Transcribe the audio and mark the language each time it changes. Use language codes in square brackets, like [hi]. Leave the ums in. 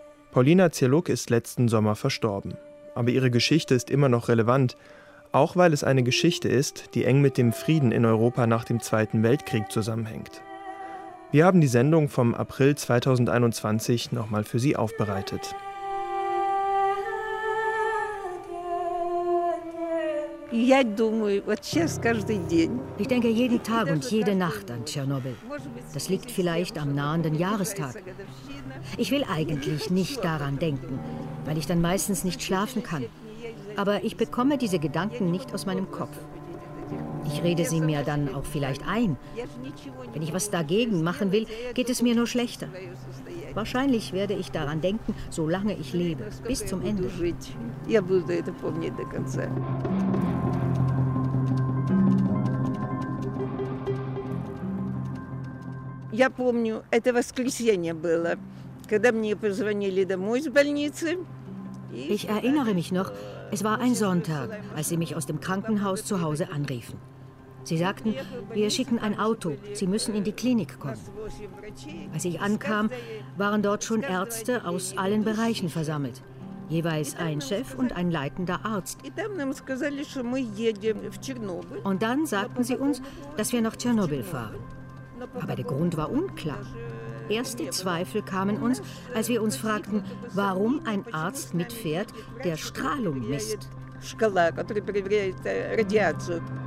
[de] Paulina Zierluck ist letzten Sommer verstorben. Aber ihre Geschichte ist immer noch relevant, auch weil es eine Geschichte ist, die eng mit dem Frieden in Europa nach dem Zweiten Weltkrieg zusammenhängt. Wir haben die Sendung vom April 2021 nochmal für Sie aufbereitet. [ru] Я думаю, вот сейчас каждый день. [de] Ich denke jeden Tag und jede Nacht an Tschernobyl. Das liegt vielleicht am nahenden Jahrestag. Ich will eigentlich nicht daran denken, weil ich dann meistens nicht schlafen kann. Aber ich bekomme diese Gedanken nicht aus meinem Kopf. Ich rede sie mir dann auch vielleicht ein. Wenn ich was dagegen machen will, geht es mir nur schlechter. Wahrscheinlich werde ich daran denken, solange ich lebe, bis zum Ende. [ru] Жить. Я буду это помнить до конца. Я помню, это воскресенье было, когда мне позвонили домой с больницы. и [de] Ich erinnere mich noch, es war ein Sonntag, als sie mich aus dem Krankenhaus zu Hause anriefen. Sie sagten, wir schicken ein Auto, Sie müssen in die Klinik kommen. [ru] восемь врачей. [de] Als ich ankam, waren dort schon Ärzte aus allen Bereichen versammelt. Jeweils ein Chef und ein leitender Arzt. [ru] И там нам сказали, что мы едем в Чернобыль. [de] Und dann sagten sie uns, dass wir nach Tschernobyl fahren. Aber der Grund war unklar. Erste Zweifel kamen uns, als wir uns fragten, warum ein Arzt mitfährt, der Strahlung misst. [ru] Шкала, которая проверяет э, радиацию.